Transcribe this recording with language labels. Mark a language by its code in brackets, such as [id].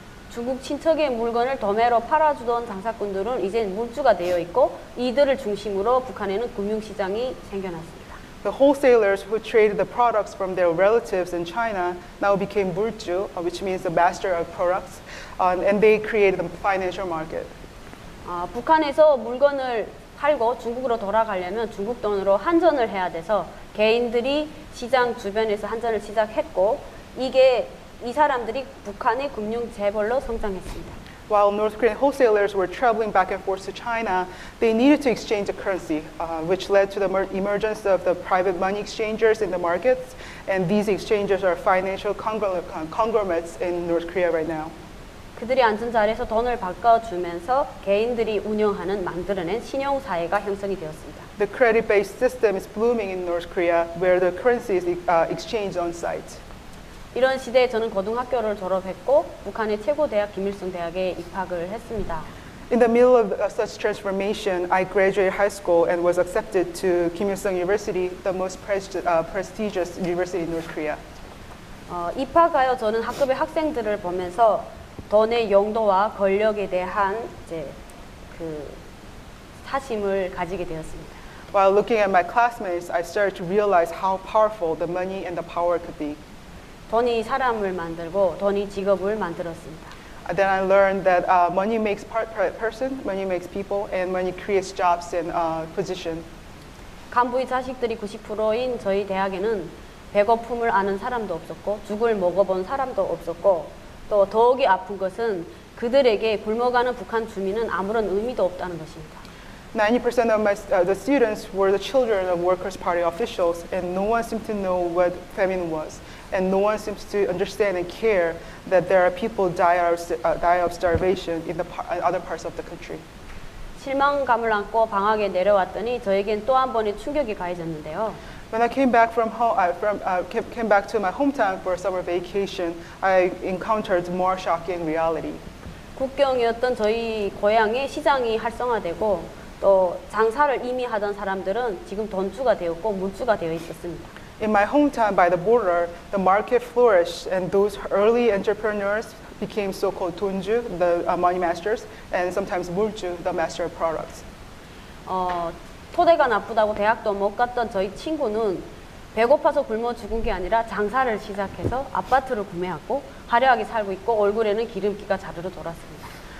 [ko] 중국 친척의 물건을 도매로 팔아주던 장사꾼들은 이제 물주가 되어 있고 이들을 중심으로 북한에는 금융시장이 생겨났습니다. [en] The wholesalers who traded the products from their relatives in China now became 물주, which means the master of products, and they created the financial market. [ko] 북한에서 물건을 팔고 중국으로 돌아가려면 중국 돈으로 환전을 해야 돼서 개인들이 시장 주변에서 환전을 시작했고 이게 이 사람들이 북한의 금융 재벌로 성장했습니다. [en] While North Korean wholesalers were traveling back and forth to China, they needed to exchange a currency, which led to the emergence of the private money exchangers in the markets. And these exchangers are financial conglomerates in North Korea right now. [ko] 그들이 앉은 자리에서 돈을 바꿔주면서 개인들이 운영하는 만들어낸 신용사회가 형성이 되었습니다. [en] The credit-based system is blooming in North Korea, where the currency is exchanged on site. [ko] 이런 시대에 저는 고등학교를 졸업했고 북한의 최고 대학 김일성 대학에 입학을 했습니다. [en] In the middle of such transformation, I graduated high school and was accepted to Kim Il-sung University, the most prestigious university in North Korea. [ko] 입학하여 저는 학급의 학생들을 보면서 돈의 용도와 권력에 대한 이제 그 사심을 가지게 되었습니다. [en] While looking at my classmates, I started to realize how powerful the money and the power could be. [ko] 돈이 사람을 만들고 돈이 직업을 만들었습니다. [en] Then I learned that money makes person, money makes people, and money creates jobs and position. [ko] 간부의 자식들이 90%인 저희 대학에는 배고픔을 아는 사람도 없었고 죽을 먹어본 사람도 없었고 또 더욱이 아픈 것은 그들에게 굶어가는 북한 주민은 아무런 의미도 없다는 것입니다. [en] 90% of the students were the children of Workers' Party officials, and no one seemed to know what famine was, and no one seems to understand and care that there are people die of starvation in the other parts of the country. [ko] 실망감을 안고 방학에 내려왔더니 저에겐 또 한 번의 충격이 가해졌는데요. [en] When I came back from home, came back to my hometown for a summer vacation, I encountered more shocking reality. [ko] 국경이었던 저희 고향의 시장이 활성화되고. 또 장사를 이미 하던 사람들은 지금 돈주가 되었고 물주가 되어 있었습니다. [en] In my hometown by the border, the market flourished and those early entrepreneurs became so-called 돈주, the money masters, and sometimes 물주, the master of products. [ko] 토대가 나쁘다고 대학도 못 갔던 저희 친구는 배고파서 굶어 죽은 게 아니라 장사를 시작해서 아파트를 구매하고 화려하게 살고 있고 얼굴에는 기름기가 자르르 돌았습니다.